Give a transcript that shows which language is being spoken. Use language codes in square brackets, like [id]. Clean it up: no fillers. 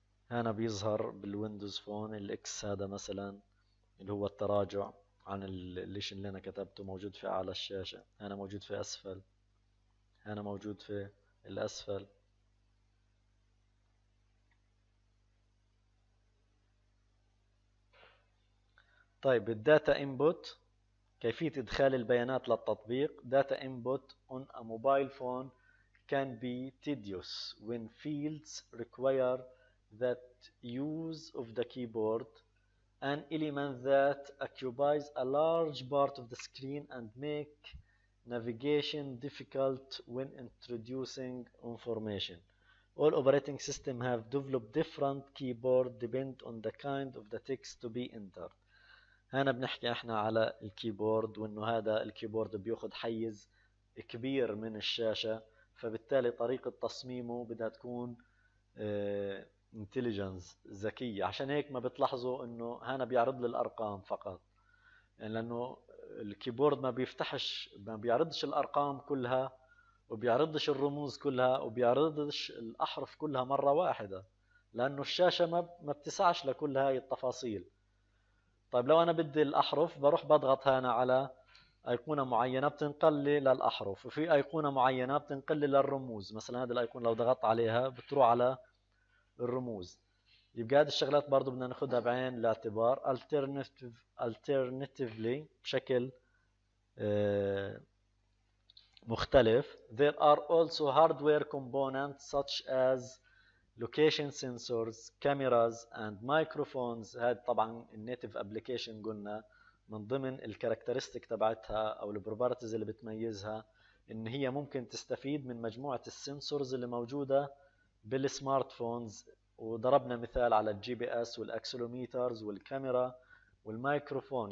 [ar] هنا بيظهر بالويندوز فون الاكس هذا مثلا اللي هو التراجع عن الليش اللي انا كتبته، موجود في اعلى الشاشة، انا موجود في اسفل، انا موجود في الاسفل. طيب الداتا انبوت، كيفية ادخال البيانات للتطبيق. [en] Data input on a mobile phone can be tedious when fields require that use of the keyboard, an element that occupies a large part of the screen and make navigation difficult when introducing information. All operating systems have developed different keyboard depend on the kind of the text to be entered. [ar] هنا بنحكي احنا على الكيبورد، وانه هذا الكيبورد بياخذ حيز كبير من الشاشة، فبالتالي طريقة تصميمه بدها تكون انتليجنس ذكية. عشان هيك ما بتلاحظوا انه هنا بيعرض لي الارقام فقط، يعني لانه الكيبورد ما بيعرضش الارقام كلها، وبيعرضش الرموز كلها، وبيعرضش الاحرف كلها مرة واحدة، لانه الشاشة ما بتسعش لكل هاي التفاصيل. طيب لو انا بدي الاحرف بروح بضغط هنا على ايقونة معينة بتنقل لي للاحرف، وفي ايقونة معينة بتنقل لي للرموز. مثلا هذه الايقونة لو ضغطت عليها بتروح على الرموز. يبقى هذه الشغلات برضو بدنا ناخذها بعين الاعتبار. [en] alternatively [ar] بشكل مختلف، [en] there are also hardware components such as location sensors, cameras and microphones. [ar] هذه طبعا النيتف ابلكيشن قلنا من ضمن الكاركترستيك تبعتها او البروبرتيز اللي بتميزها، ان هي ممكن تستفيد من مجموعه السنسورز اللي موجوده بالسمارت فونز، وضربنا مثال على الجي بي اس والاكسلوميترز والكاميرا والمايكروفون.